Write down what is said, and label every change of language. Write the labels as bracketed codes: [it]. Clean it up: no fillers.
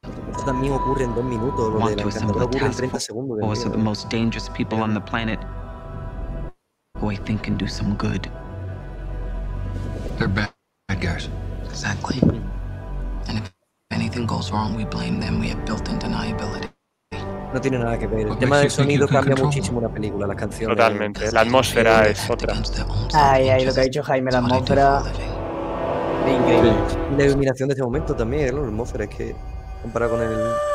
[es] Esto también ocurre en 2 minutos, lo de la encantadora ocurre en 30 segundos. [en] Or was it the most dangerous people on the planet who I think can do some good? They're bad guys. Exactly. And if anything goes wrong, we blame them. We have built-in deniability. [es] No tiene nada que ver. El tema del sonido cambia muchísimo una película, las canciones. Totalmente. La atmósfera es otra. Ay, ay, lo que ha dicho Jaime, la atmósfera. Es increíble. La iluminación de este momento también, ¿no? La atmósfera es que. Comparado con el.